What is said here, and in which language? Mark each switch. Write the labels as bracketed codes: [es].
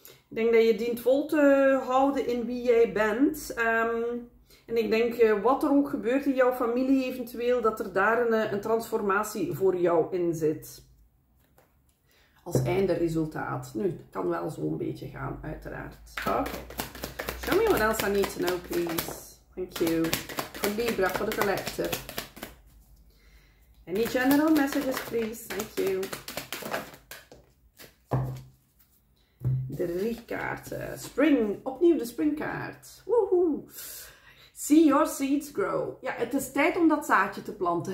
[nl] Ik denk dat je dient vol te houden in wie jij bent. En ik denk, wat er ook gebeurt in jouw familie eventueel, dat er daar een transformatie voor jou in zit. Als einderesultaat. Nu, het kan wel zo'n beetje gaan, uiteraard. [en] Okay. Show me what else I need to know, please. Thank you. [nl] Voor Libra, voor de collector. [en] Any general messages, please. Thank you. [nl] Drie kaarten. Spring. Opnieuw de springkaart. Woehoe. [en] See your seeds grow. [nl] Ja, het is tijd om dat zaadje te planten.